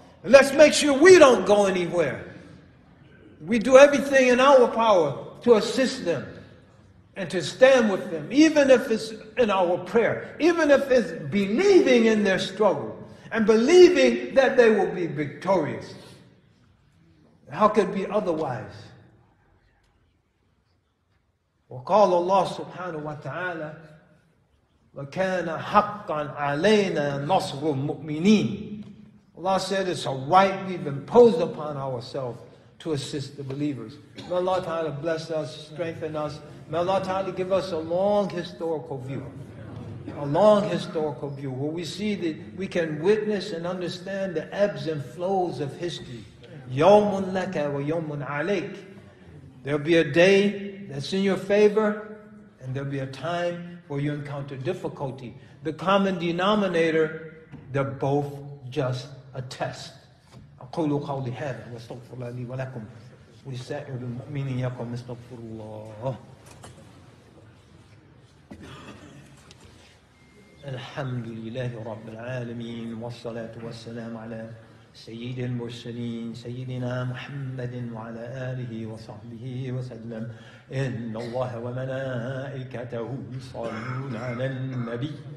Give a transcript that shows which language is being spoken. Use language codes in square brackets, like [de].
[en] And let's make sure we don't go anywhere. We do everything in our power to assist them and to stand with them, even if it's in our prayer, even if it's believing in their struggle and believing that they will be victorious. How could it be otherwise? [ar] وقال الله سبحانه وتعالى وكان حقا علينا نصر المؤمنين. [en] Allah said it's a right we've imposed upon ourselves to assist the believers. May Allah Ta'ala bless us, strengthen us. May Allah Ta'ala give us a long historical view. A long historical view where we see that we can witness and understand the ebbs and flows of history. [ar] يَوْمٌ لَكَ وَيَوْمٌ عَلَيْكَ. [en] There'll be a day that's in your favor and there'll be a time where you encounter difficulty. The common denominator, they're both just a test. [ar] قولوا قولي هذا واستغفر الله لي ولكم ولسائر المؤمنين يقوم استغفر الله الحمد لله رب العالمين والصلاة والسلام على سيد المرسلين سيدنا محمد وعلى آله وصحبه وسلم إن الله وملائكته يصلون على النبي